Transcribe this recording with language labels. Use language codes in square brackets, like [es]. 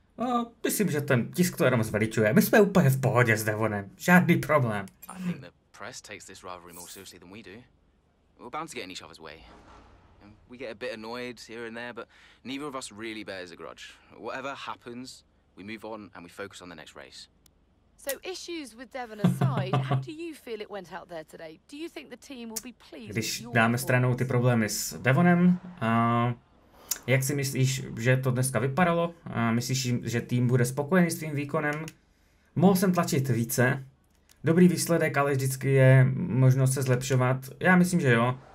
[cs] No, myslím, že ten tisk to jenom zveličuje. My jsme úplně v pohodě s Devonem. Žádný problém. [en] I think the press takes this rivalry more seriously than we do. We're bound to get in each other's way. We get a bit annoyed here and there, but neither of us really bears a grudge. Whatever happens, we move on and we focus on the next race. So issues with Devon aside, how do you feel it went out there today? Do you think the team will be pleased? [cs] Když dáme stranou ty problémy s Devonem, jak si myslíš, že to dneska vypadalo? Myslíš, že tým bude spokojený s tvým výkonem? Mohl jsem tlačit více. Dobrý výsledek, ale vždycky je možnost se zlepšovat. Já myslím, že jo.